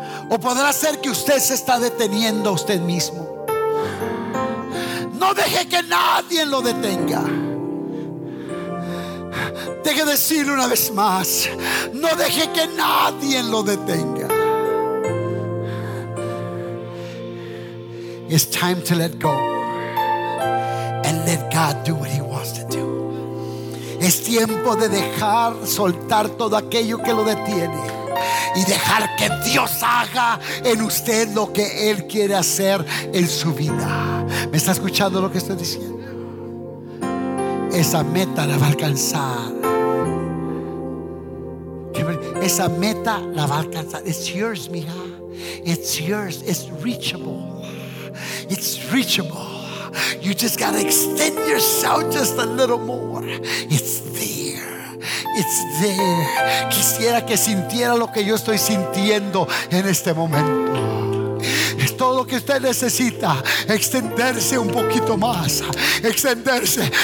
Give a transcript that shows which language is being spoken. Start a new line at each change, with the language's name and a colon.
Spanish: ¿O podrá ser que usted se está deteniendo a usted mismo? No deje que nadie lo detenga. Deje decirle una vez más: no deje que nadie lo detenga.
English: It's time to let go and let God do what He wants to do.
Spanish: Es tiempo de dejar, soltar todo aquello que lo detiene y dejar que Dios haga en usted lo que Él quiere hacer en su vida. ¿Me está escuchando lo que estoy diciendo? Esa meta la va a alcanzar. Esa meta la va a alcanzar.
English: It's yours, mija. It's yours. It's reachable. It's reachable. You just gotta extend yourself just a little more. It's there. It's there.
Spanish: Quisiera que sintiera lo que yo estoy sintiendo en este momento. Todo lo que usted necesita, extenderse un poquito más, extenderse.